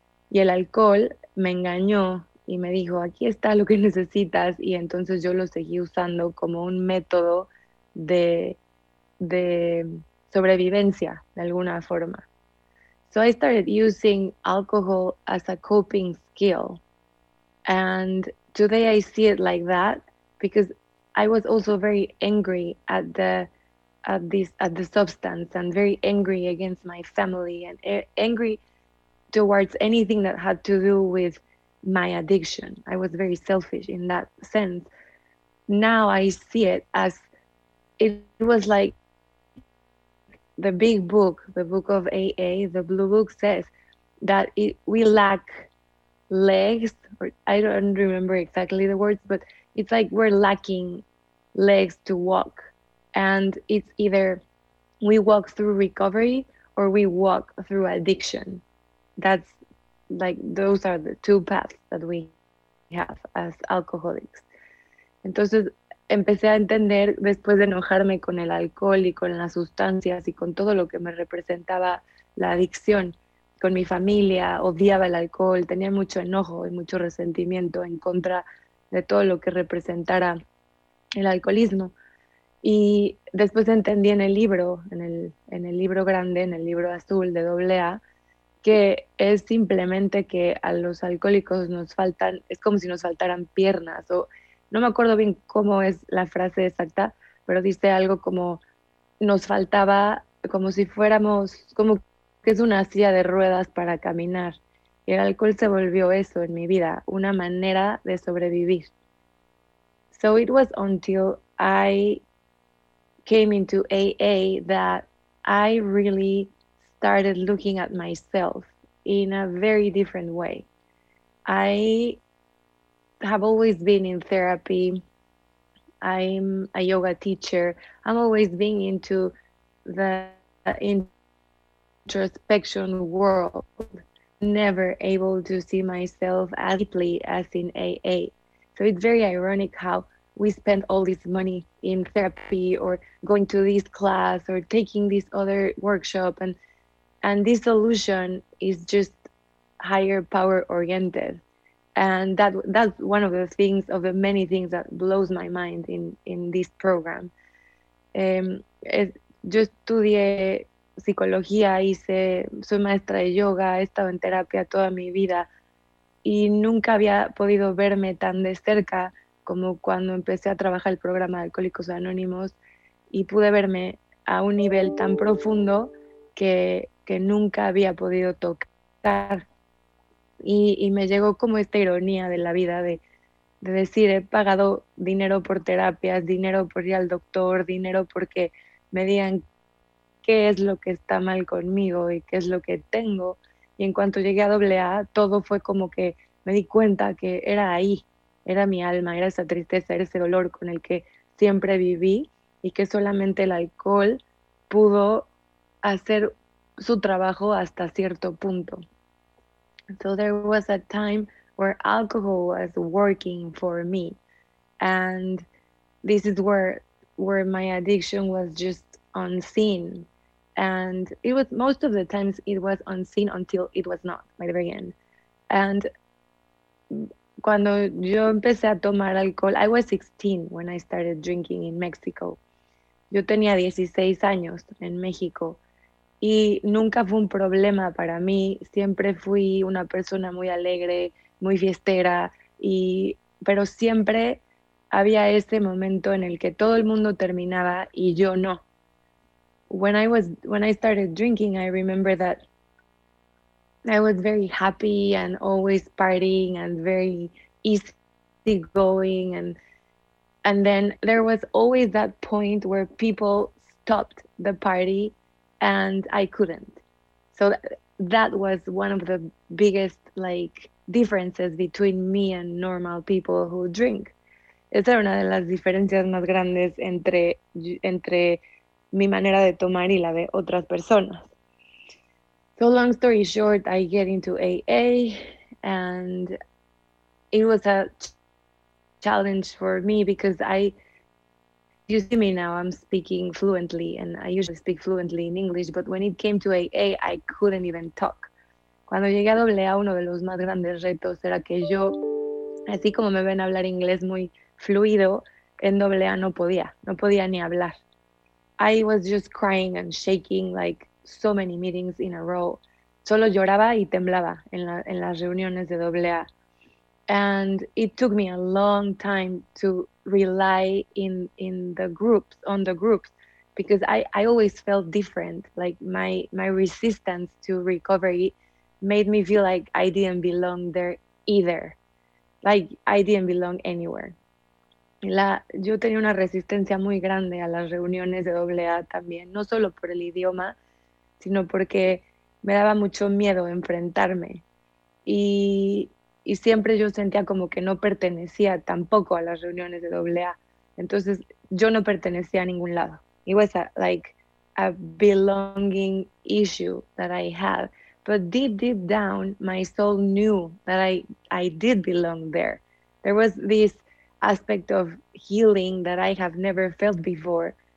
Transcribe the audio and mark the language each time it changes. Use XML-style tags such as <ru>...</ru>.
<es>Y el alcohol me engañó y me dijo, aquí está lo que necesitas. Y entonces yo lo seguí usando como un método de sobrevivencia, de alguna forma.</es> <en>So I started using alcohol as a coping skill. And today I see it like that because I was also very angry at the substance and very angry against my family and angry towards anything that had to do with my addiction. I was very selfish in that sense. Now I see it as it was like the big book, the book of AA, the blue book says that we lack legs, or I don't remember exactly the words, but it's like we're lacking legs to walk. And it's either we walk through recovery or we walk through addiction. That's like those are the two paths that we have as alcoholics.</en> <es>Entonces, empecé a entender después de enojarme con el alcohol y con las sustancias y con todo lo que me representaba la adicción. Con mi familia, odiaba el alcohol, tenía mucho enojo y mucho resentimiento en contra de todo lo que representara el alcoholismo. Y después entendí en el libro, en el libro grande, en el libro azul de doble A, que es simplemente que a los alcohólicos nos faltan, es como si nos faltaran piernas, o no me acuerdo bien cómo es la frase exacta, pero dice algo como nos faltaba, como si fuéramos, como que es una silla de ruedas para caminar. Y el alcohol se volvió eso en mi vida, una manera de sobrevivir.</es> <en>So it was until I came into AA that I really started looking at myself in a very different way. I have always been in therapy. I'm a yoga teacher. I'm always being into the introspection world, never able to see myself as deeply as in AA. So it's very ironic how we spend all this money in therapy or going to this class or taking this other workshop, and this solution is just higher power oriented. And that's one of the things, of the many things that blows my mind in this program.</en> <es>Yo estudié psicología, soy maestra de yoga, he estado en terapia toda mi vida y nunca había podido verme tan de cerca como cuando empecé a trabajar el programa de Alcohólicos Anónimos, y pude verme a un nivel tan profundo que nunca había podido tocar. Y me llegó como esta ironía de la vida de decir, he pagado dinero por terapias, dinero por ir al doctor, dinero porque me digan qué es lo que está mal conmigo y qué es lo que tengo. Y en cuanto llegué a AA, todo fue como que me di cuenta que era ahí. Era mi alma, era esa tristeza, era ese dolor con el que siempre viví y que solamente el alcohol pudo hacer su trabajo hasta cierto punto.</es> <en>So there was a time where alcohol was working for me, and this is where my addiction was just unseen. And it was most of the times it was unseen until it was not, by the very end. And</en> <es>cuando yo empecé a tomar alcohol,</es> <en>I was 16 when I started drinking in Mexico.</en> <es>Yo tenía 16 años en México y nunca fue un problema para mí. Siempre fui una persona muy alegre, muy fiestera, pero siempre había ese momento en el que todo el mundo terminaba y yo no.</es> <en>When I started drinking, I remember that I was very happy and always partying and very easygoing. And then there was always that point where people stopped the party and I couldn't. So that was one of the biggest like differences between me and normal people who drink.</en> <es>Esa era una de las diferencias más grandes entre mi manera de tomar y la de otras personas.</es> <en>So long story short, I get into AA, and it was a challenge for me because you see me now, I'm speaking fluently, and I usually speak fluently in English, but when it came to AA, I couldn't even talk.</en> <es>Cuando llegué a AA, uno de los más grandes retos era que yo, así como me ven hablar inglés muy fluido, en AA no podía ni hablar.</es> <en>I was just crying and shaking like so many meetings in a row.</en> <es>Solo lloraba y temblaba en las reuniones de AA.</es> <en>And it took me a long time to rely on the groups, because I always felt different. Like my resistance to recovery made me feel like I didn't belong there either. Like I didn't belong anywhere.</en> <es>Yo tenía una resistencia muy grande a las reuniones de AA también, no solo por el idioma, sino porque me daba mucho miedo enfrentarme. Y siempre yo sentía como que no pertenecía tampoco a las reuniones de AA. Entonces yo no pertenecía a ningún lado.</es> <en>It was a belonging issue that I had. But deep down, my soul knew that I did belong there. There was this aspect of healing that I have never felt before.</en>